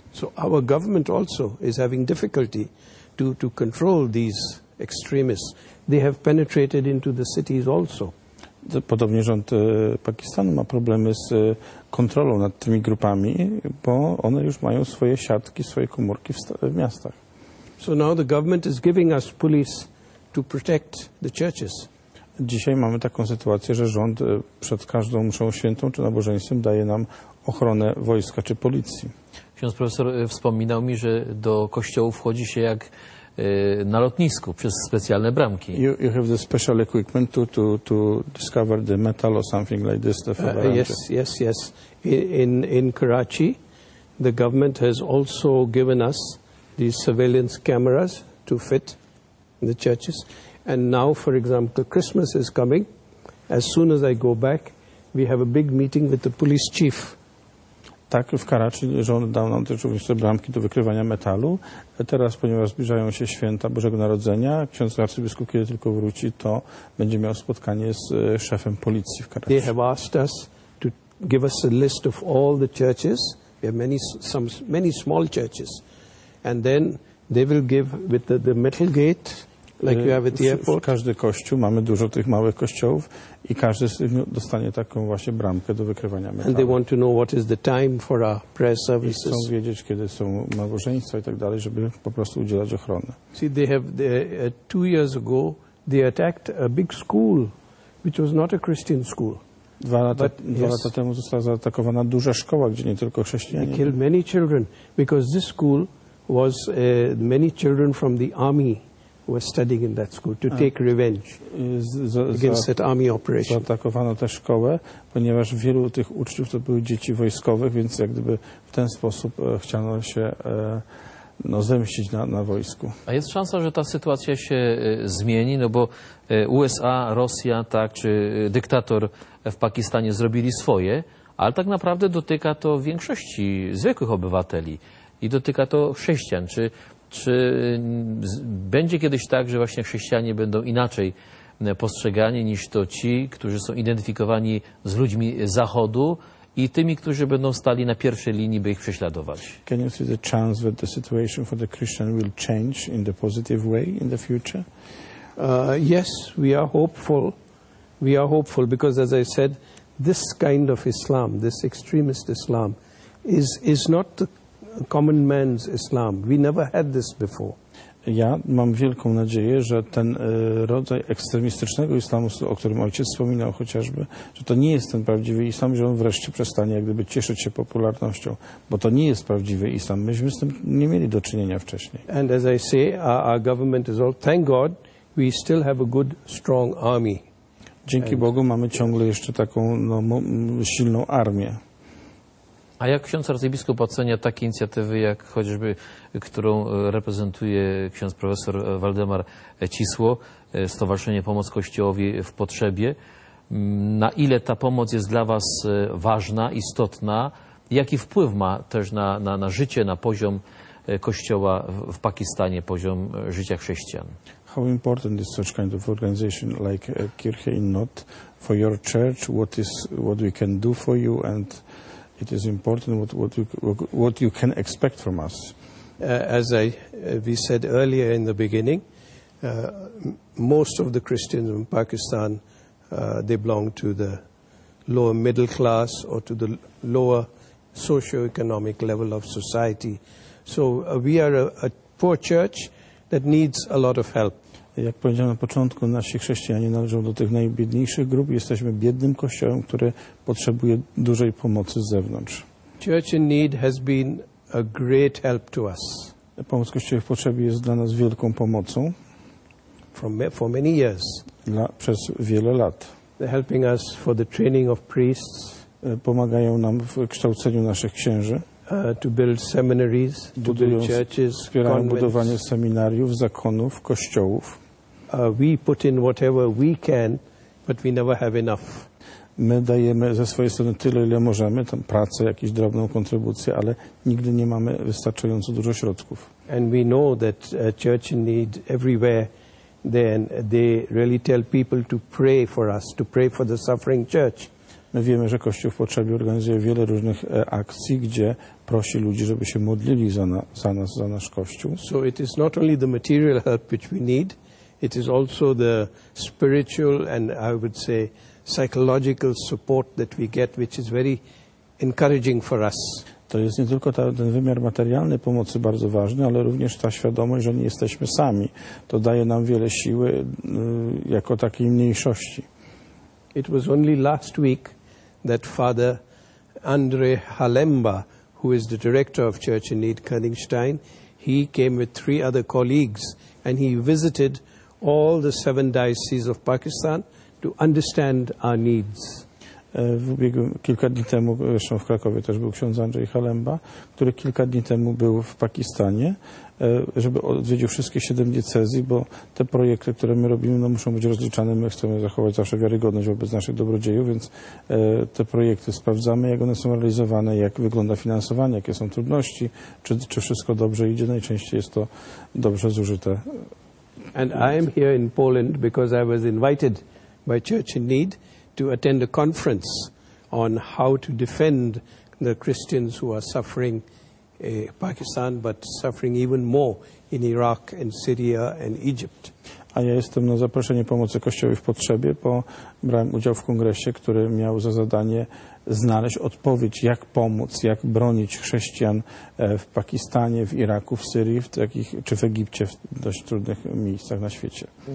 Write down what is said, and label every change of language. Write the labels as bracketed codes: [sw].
[en] So our government also is having difficulty to control these extremists. They have penetrated into the cities also. [pl] Podobnie rząd Pakistanu ma problemy z kontrolą nad tymi grupami, bo one już mają swoje siatki, swoje komórki w miastach. [en] So now the government is giving us police to protect the churches. [pl] Dzisiaj mamy taką sytuację, że rząd przed każdą mszą świętą czy nabożeństwem daje nam ochronę wojska czy policji. Ksiądz profesor wspominał mi, że do kościołów wchodzi się jak na lotnisku przez specjalne bramki. [en] You have the special equipment to discover the metal or something like this. Yes. In Karachi, the government has also given us these surveillance cameras to fit in the churches. And now, for example, Christmas is coming. As soon as I go back, we have a big meeting with the police chief. [pl] Tak, w Karachi rząd dał nam też również te bramki do wykrywania metalu. Teraz, ponieważ zbliżają się święta Bożego Narodzenia, ksiądz arcybiskup, kiedy tylko wróci, to będzie miał spotkanie z szefem policji w Karachi. [en] They have asked us to give us a list of all the churches. We have many small churches. And then they will give with the metal gate, like you have at the airport. [pl] Każdy kościół, mamy dużo tych małych kościołów i każdy z nich dostanie taką właśnie bramkę do wykrywania metalu. [en] And they want to know what is the time for our prayer services. [pl] I chcą wiedzieć, kiedy są nabożeństwa i tak dalej, żeby po prostu udzielać ochrony. [en] See, they have, two years ago, they attacked a big school, which was not a Christian school. [pl] Dwa lata temu została zaatakowana duża szkoła, gdzie nie tylko chrześcijanie. [en] They killed many children, because this school was many children from the army. Were studying in that school to take revenge against that army operation. [pl] Zaatakowano tę szkołę, ponieważ wielu tych uczniów to były dzieci wojskowych, więc jak gdyby w ten sposób chciano się zemścić na wojsku. A jest szansa, że ta sytuacja się zmieni, no bo USA, Rosja, tak, czy dyktator w Pakistanie zrobili swoje, ale tak naprawdę dotyka to większości zwykłych obywateli i dotyka to chrześcijan. Czy będzie kiedyś tak, że właśnie chrześcijanie będą inaczej postrzegani niż to ci, którzy są identyfikowani z ludźmi Zachodu i tymi, którzy będą stali na pierwszej linii, by ich prześladować? [en] Can you see the chance that the situation for the Christian will change in the positive way in the future? Yes, we are hopeful. We are hopeful because, as I said, this kind of Islam, this extremist Islam, is not the common man's Islam. We never had this before. [pl] Ja mam wielką nadzieję, że ten rodzaj ekstremistycznego islamu, o którym ojciec wspominał chociażby, że to nie jest ten prawdziwy islam, że on wreszcie przestanie jak gdyby cieszyć się popularnością, bo to nie jest prawdziwy islam. Myśmy z tym nie mieli do czynienia wcześniej. [en] And as I say, our government is all, thank God, we still have a good, strong army. [pl] Dzięki Bogu mamy ciągle jeszcze taką silną armię. A jak ksiądz arcybiskup ocenia takie inicjatywy, jak chociażby, którą reprezentuje ksiądz profesor Waldemar Cisło, Stowarzyszenie Pomoc Kościołowi w Potrzebie? Na ile ta pomoc jest dla was ważna, istotna? Jaki wpływ ma też na życie, na poziom Kościoła w Pakistanie, poziom życia chrześcijan? [en] How important is such kind of organization like Kirche in Not for your church? What we can do for you, and it is important what you can expect from us. As we said earlier in the beginning, most of the Christians in Pakistan they belong to the lower middle class or to the lower socio-economic level of society. So we are a poor church that needs a lot of help. [pl] Jak powiedziałem na początku, nasi chrześcijanie należą do tych najbiedniejszych grup. Jesteśmy biednym kościołem, który potrzebuje dużej pomocy z zewnątrz. [en] Church in need has been a great help to us. [pl] Pomoc kościoła w potrzebie jest dla nas wielką pomocą. [en] For many years. [pl] Przez wiele lat. [en] They're helping us for the training of priests. [pl] Pomagają nam w kształceniu naszych księży. [en] To build seminaries, [pl] budują, [en] to build churches, [pl] wspierają convents. Budowanie seminariów, zakonów, kościołów. [en] We put in whatever we can, but we never have enough. [pl] My dajemy ze swojej strony tyle, ile możemy, tam pracę, jakąś drobną kontrybucję, ale nigdy nie mamy wystarczająco dużo środków. [en] And we know that church in need everywhere, then they really tell people to pray for us, to pray for the suffering church. [pl] My wiemy, że Kościół w Potrzebie organizuje wiele różnych akcji, gdzie prosi ludzi, żeby się modlili za nas, za nasz Kościół. [en] So it is not only the material help which we need, it is also the spiritual and I would say psychological support that we get, which is very encouraging for us. [pl] To jest nie tylko ten wymiar materialny pomocy bardzo ważny, ale również ta świadomość, że nie jesteśmy sami. To daje nam wiele siły jako takiej mniejszości. [en] It was only last week that Father Andre Halemba, who is the director of Church in Need Königstein, he came with three other colleagues and he visited all the seven dioceses of Pakistan to understand our needs. [pl] Kilka dni temu, zresztą w Krakowie też był ksiądz Andrzej Halemba, który kilka dni temu był w Pakistanie, żeby odwiedził wszystkie siedem diecezji, bo te projekty, które my robimy, no, muszą być rozliczane. My chcemy zachować zawsze wiarygodność wobec naszych dobrodziejów, więc te projekty sprawdzamy, jak one są realizowane, jak wygląda finansowanie, jakie są trudności, czy wszystko dobrze idzie. Najczęściej jest to dobrze zużyte. [en] And I am here in Poland because I was invited by Church in Need to attend a conference on how to defend the Christians who are suffering in Pakistan, but suffering even more in Iraq and Syria and Egypt. [pl] A ja jestem na zaproszenie pomocy Kościoła w potrzebie, bo brałem udział w kongresie, który miał za zadanie znaleźć odpowiedź, jak pomóc, jak bronić chrześcijan w Pakistanie, w Iraku, w Syrii, czy w Egipcie, w dość trudnych miejscach na świecie.